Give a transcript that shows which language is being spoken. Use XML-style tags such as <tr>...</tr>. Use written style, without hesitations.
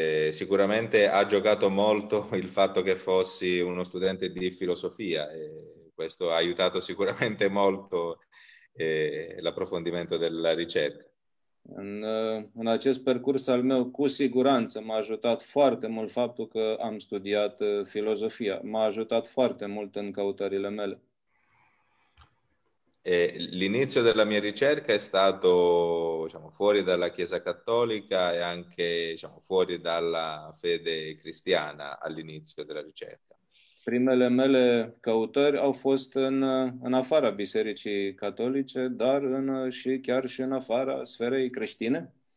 <it>Sicuramente ha giocato molto il fatto che fossi uno studente di filosofia, e questo ha aiutato sicuramente molto l'approfondimento della ricerca.</it> <ro>În acest parcurs al meu, cu siguranță m-a ajutat foarte mult faptul că am studiat filozofia. M-a ajutat foarte mult în căutările mele.</ro> <it>L'inizio della mia ricerca è stato, diciamo, fuori dalla Chiesa Cattolica e anche, diciamo, fuori dalla fede cristiana all'inizio della ricerca.</it> <ro>Primele mele căutări au fost în afara Bisericii Catolice, dar și chiar și în afara sferei creștine.</ro>